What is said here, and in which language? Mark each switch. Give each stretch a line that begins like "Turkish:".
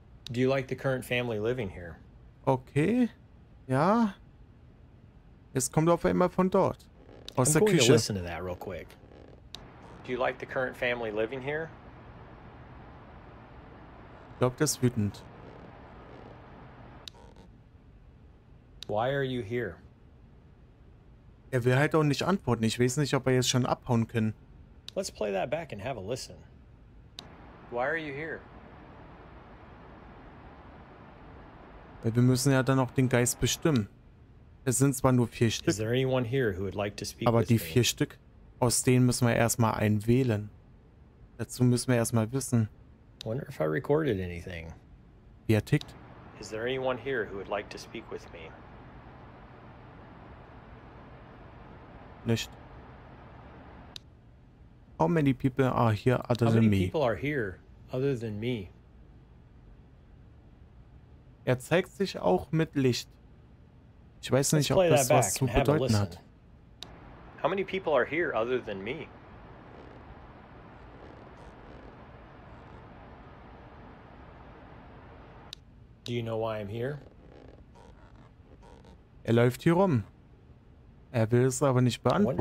English: Do you like the current family living here?
German: Okay. Ja. Es kommt auf einmal von dort. Aus der Küche.
English: I'm going to listen to that real quick. Do you like the current family living here?
German: Ich glaube, der ist wütend.
English: Why are you here?
German: Er will halt auch nicht antworten. Ich weiß nicht, ob er jetzt schon abhauen kann.
English: Let's play that back and have a listen. Why are you here?
German: Weil wir müssen ja dann auch den Geist bestimmen. Es sind zwar nur vier Stück.
English: Is there anyone here who would like to speak
German: aber
English: with
German: die
English: me?
German: Vier Stück, aus denen müssen wir erstmal einen wählen. Dazu müssen wir erstmal wissen.
English: I wonder if I recorded anything.
German: Wie er tickt.
English: Is there anyone here who would like to speak with me?
German: Nicht.
English: How many people are here other than me? How many people are here other than me?
German: Er zeigt sich auch mit Licht. Ich weiß nicht, ob das was zu bedeuten hat.
English: How many people are here other than me? Do you know why I'm here? Er läuft hier rum. Er will es aber nicht beantworten.